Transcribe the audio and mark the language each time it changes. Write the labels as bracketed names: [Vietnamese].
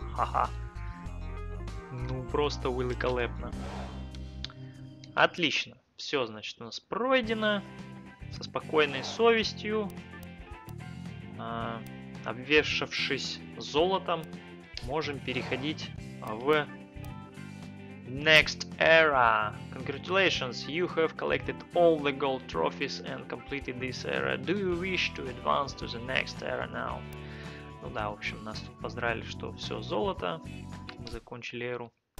[Russian] Ха-ха, ну просто великолепно, отлично. Все, значит, у нас пройдено со спокойной совестью. Обвешавшись золотом, можем переходить в Next Era. [English] Congratulations, you have collected all the gold trophies and completed this era. Do you wish to advance to the next era now? [Russian] Ну да, в общем, нас тут поздравили, что все золото. Мы закончили эру.